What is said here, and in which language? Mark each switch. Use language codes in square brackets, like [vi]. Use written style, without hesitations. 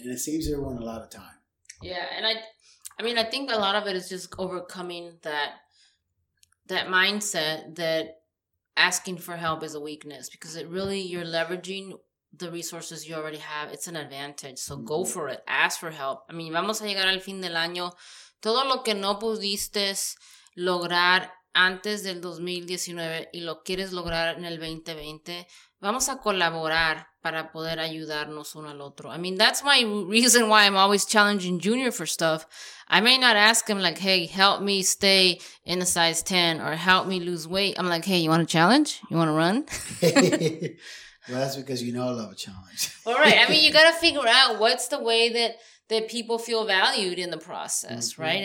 [en] And it saves everyone a lot of time. Yeah, and I mean, I think a lot of it is just overcoming that mindset that asking for help is a weakness, because it really, you're leveraging the resources you already have. It's an advantage. So mm-hmm. Go for it. Ask for help. I mean, [es] vamos a llegar al fin del año. Todo lo que no pudiste lograr antes del 2019 y lo quieres lograr en el 2020, vamos a colaborar para poder ayudarnos uno al otro. [en] I mean, that's my reason why I'm always challenging Junior for stuff. I may not ask him like, hey, help me stay in a size 10 or help me lose weight. I'm like, hey, you want a challenge? You want to run? Well, that's because you know I love a challenge. All right. I mean, you got to figure out what's the way that people feel valued in the process, mm-hmm. right?